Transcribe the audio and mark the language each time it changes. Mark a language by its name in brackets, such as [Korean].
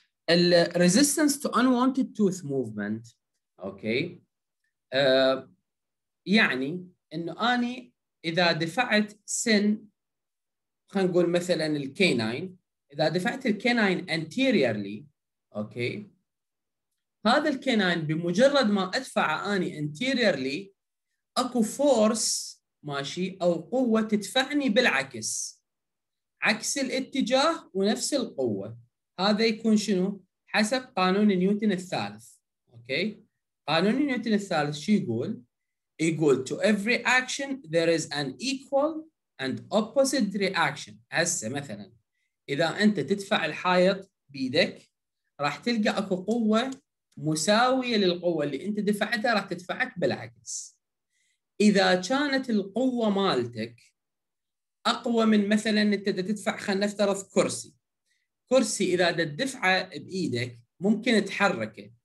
[Arabic] الريزيستنس تو انوانتد توث موفمنت، اوكي، يعني انه اني اذا دفعت سن، خلينا نقول مثلا الكيناين، اذا دفعت الكيناين انتيريرلي، اوكي، هذا الكينين بمجرد ما ادفعه اني انتيريرلي اكو فورس، ماشي، او قوه تدفعني بالعكس، عكس الاتجاه ونفس القوه. هذا يكون شنو؟ حسب قانون نيوتن الثالث. اوكي قانون نيوتن الثالث شو يقول؟ يقول [English] to every action there is an equal and opposite reaction. [Arabic] هسه مثلا اذا انت تدفع الحائط بيدك راح تلقى اكو قوه مساوية للقوة اللي انت دفعتها راح تدفعك بالعكس. اذا كانت القوة مالتك اقوى من مثلا انت تدفع، خلينا نفترض كرسي اذا تدفعه بايدك ممكن تحركه.